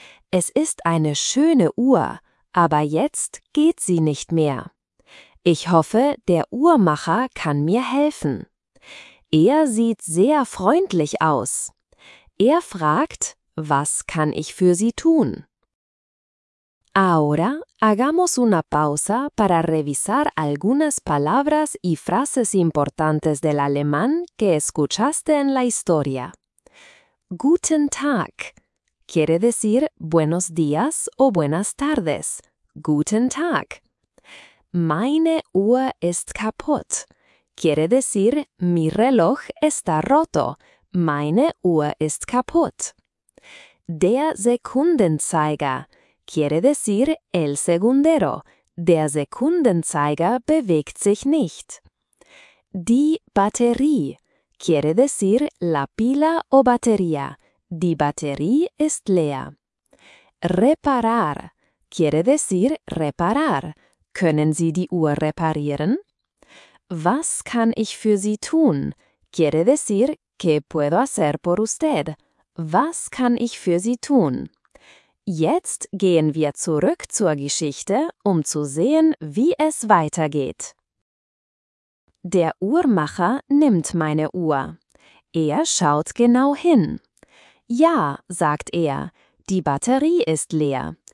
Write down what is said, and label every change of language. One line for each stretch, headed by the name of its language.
German: Es ist eine schöne Uhr. Aber jetzt geht sie nicht mehr. Ich hoffe, der Uhrmacher kann mir helfen. Er sieht sehr freundlich aus. Er fragt, was kann ich für Sie tun?
Spanish: Ahora hagamos una pausa para revisar algunas palabras y frases importantes del alemán que escuchaste en la historia.
German: Guten Tag.
Spanish: Quiere decir buenos días o buenas tardes.
German: Guten Tag. Meine Uhr ist kaputt.
Spanish: Quiere decir mi reloj está roto.
German: Meine Uhr ist kaputt. Der Sekundenzeiger.
Spanish: Quiere decir el segundero.
German: Der Sekundenzeiger bewegt sich nicht. Die Batterie.
Spanish: Quiere decir la pila o batería.
German: Die Batterie ist leer.
Spanish: Reparar. Quiere decir reparar.
German: Können Sie die Uhr reparieren? Was kann ich für Sie tun?
Spanish: Quiere decir ¿qué puedo hacer por usted?
German: Was kann ich für Sie tun? Jetzt gehen wir zurück zur Geschichte, um zu sehen, wie es weitergeht. Der Uhrmacher nimmt meine Uhr. Er schaut genau hin. Ja, sagt er, die Batterie ist leer.